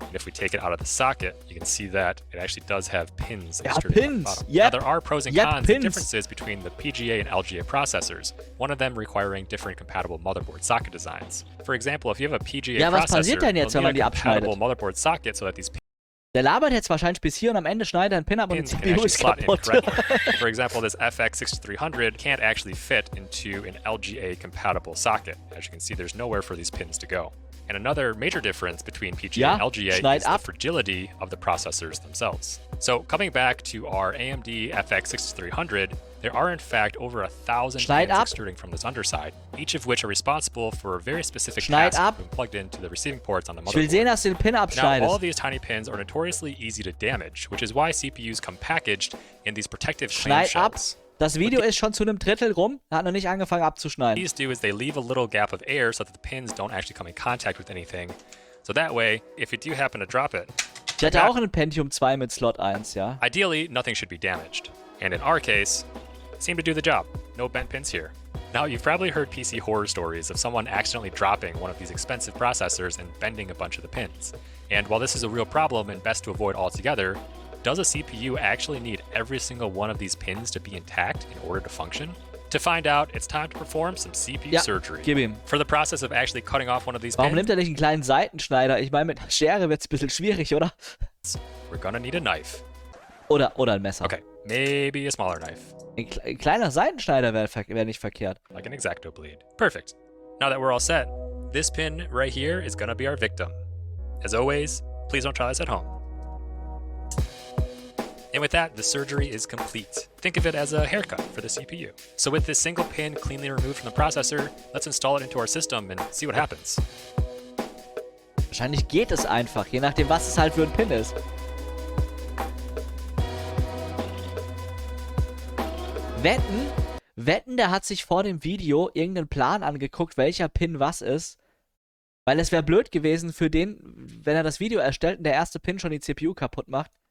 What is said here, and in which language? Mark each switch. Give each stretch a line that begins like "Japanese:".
English: And if we take it out of the socket, you can see that it actually does have pins. Yeah, pins. Yeah, there are pros and cons and differences between the PGA and LGA processors, one of them requiring different compatible motherboard socket designs. For example, if you have a PGA motherboard socket, so that these pins...
German: Der labert jetzt wahrscheinlich bis hier und am Ende schneidet er einen Pin ab und die CPU ist kaputt.
English: For example, this FX6300 can't actually fit into an LGA-compatible socket. As you can see, there's nowhere for these pins to go. And another major difference between PGA and LGA is the fragility of the processors themselves. So coming back to our AMD FX6300, there are in fact over 1,000 pins extruding from this underside, each of which are responsible for a very specific task when plugged into the receiving ports on the motherboard.
German: Ich will sehen, dass du den Pin abschneidest.
English: Now, all of these tiny pins are notoriously easy to damage, which is why CPUs come packaged in these protective clamshells.
German: Das Video ist schon zu einem Drittel rum, er hat noch nicht angefangen abzuschneiden.
English: What these do is they leave a little gap of air so that the pins don't actually come in contact with anything. So that way, if you do happen to drop it...
German: Ich hatte auch einen Pentium 2 mit Slot 1, ja.
English: Ideally, nothing should be damaged. And in our case, seemed to do the job. No bent pins here. Now, you've probably heard PC horror stories of someone accidentally dropping one of these expensive processors and bending a bunch of the pins. And while this is a real problem and best to avoid altogether, does a CPU actually need every single one of these pins to be intact in order to function? To find out, it's time to perform some CPU surgery.
German: Gib ihm.
English: For the process of actually cutting off one of these
German: Warum
English: pins.
German: Warum nimmt er nicht einen kleinen Seitenschneider? Ich meine, mit einer Schere wird's ein bisschen schwierig, oder?
English: We're gonna need a knife.
German: Oder ein Messer.
English: Okay, maybe a smaller knife. Ein kleiner Seitenschneider wär nicht verkehrt. Like an X-Acto blade. Perfect. Now that we're all set, this pin right here is gonna be our victim. As always, please don't try this at home. And with that, the surgery is complete. Think of it as a haircut for the CPU. So with this single pin cleanly removed from the processor, let's install it into our system and see what happens.
German: Wahrscheinlich geht es einfach, je nachdem, was es halt für ein Pin ist. Wetten, der hat sich vor dem Video irgendeinen Plan angeguckt, welcher Pin was ist. Weil es wäre blöd gewesen für den, wenn er das Video erstellt und der erste Pin schon die CPU kaputt macht.